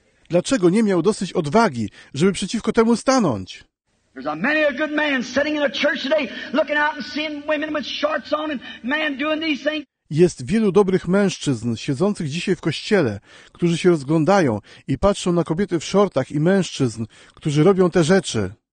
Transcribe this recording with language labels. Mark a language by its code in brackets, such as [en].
[pl] Dlaczego nie miał dosyć odwagi, żeby przeciwko temu stanąć? [en] There's a many a good man sitting in a church today looking out and seeing women with shorts on and man doing these things. [pl] Jest wielu dobrych mężczyzn siedzących dzisiaj w kościele, którzy się rozglądają i patrzą na kobiety w szortach i mężczyzn, którzy robią te rzeczy.